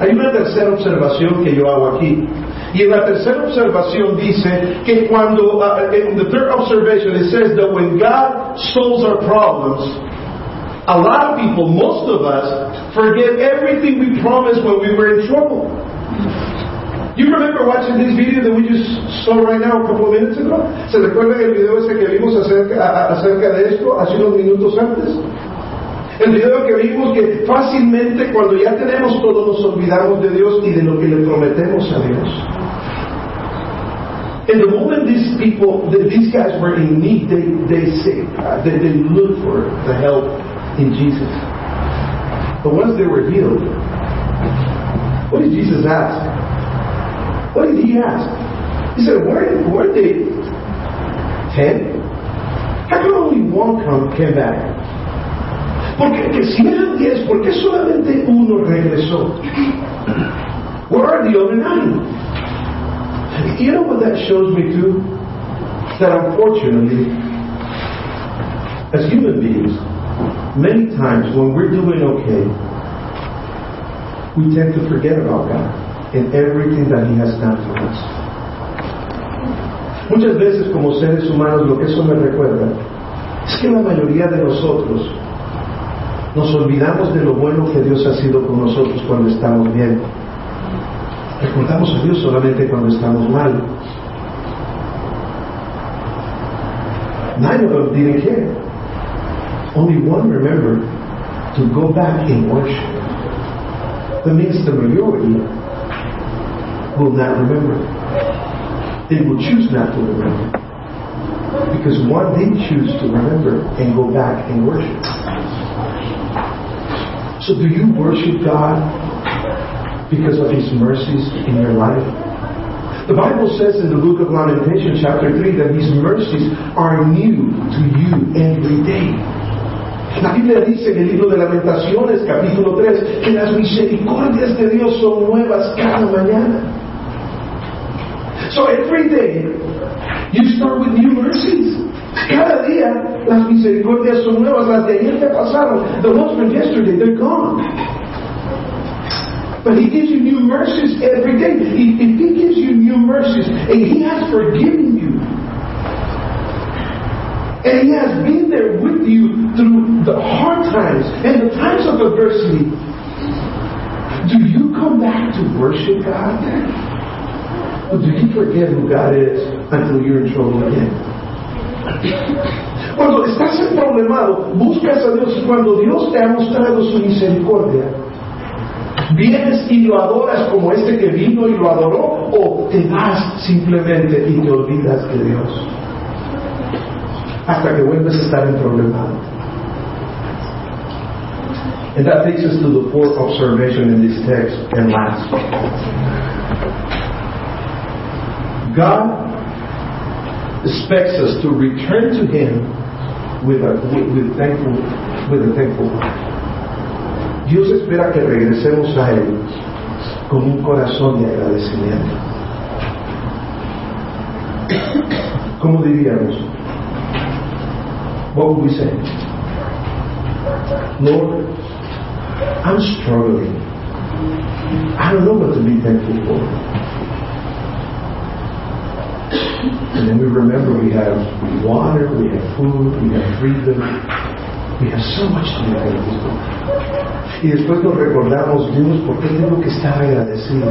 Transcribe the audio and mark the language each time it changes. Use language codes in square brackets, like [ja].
[es] Hay una tercera observación que yo hago aquí. Y en la tercera observación dice que cuando, [en] in the third observation, it says that when God solves our problems, a lot of people, most of us, forget everything we promised when we were in trouble. You remember watching this video that we just saw right now a couple of minutes ago? [es] ¿Se recuerdan el video ese que vimos acerca de esto hace unos minutos antes? El video que vimos que fácilmente cuando ya tenemos todo nos olvidamos de Dios y de lo que le prometemos a Dios. [en] In the moment these people, these guys were in need, they looked for the help in Jesus. But once they were healed, what did Jesus ask? What did he ask? He said, weren't they 10? How come only one came back? [es] Porque si eran 10, ¿por qué solamente uno regresó? [en] Where are the other 9? You know what that shows me too? That unfortunately, as human beings, many times when we're doing okay, we tend to forget about God and everything that He has done for us. [es] Muchas veces, como seres humanos, lo que eso me recuerda es que la mayoría de nosotros nos olvidamos de lo bueno que Dios ha sido con nosotros cuando estamos bien. Recordamos a Dios solamente cuando estamos mal. [en] 9 of them didn't care. Only one remembered to go back and worship. That means the majority will not remember. They will choose not to remember. Because one did choose to remember and go back and worship. So do you worship God because of His mercies in your life? The Bible says in the book of Lamentations, chapter 3, that His mercies are new to you every day. [es] La Biblia dice en el libro de Lamentaciones, capítulo 3, que las misericordias de Dios son nuevas cada mañana. [en] So every day, you start with new mercies. [es] Cada día, las misericordias son nuevas. Las de ayer te pasaron. [en] The ones from yesterday, they're gone. But He gives you new mercies every day. If He gives you new mercies, and He has forgiven you, and He has been there with you through the hard times and the times of adversity, do you come back to worship God then? Or do you forget who God is until you're in trouble again? [es] Cuando estás en problemado, buscas a Dios, y cuando Dios te ha mostrado su misericordia, ¿vienes y lo adoras como este que vino y lo adoró, o te vas simplemente y te olvidas de Dios hasta que vuelves a estar en problemado? [en] And that takes us to the fourth observation in this text, and last, God expects us to return to Him with a thankful heart. [es] Dios espera que regresemos a Él con un corazón de agradecimiento. ¿Cómo diríamos? [en] What would we say? Lord, I'm struggling. I don't know what to be thankful for. And then we remember we have water, we have food, we have freedom. We have so much to be thankful for. [es] Y después nos recordamos, Dios, ¿por qué tengo que estar agradecido?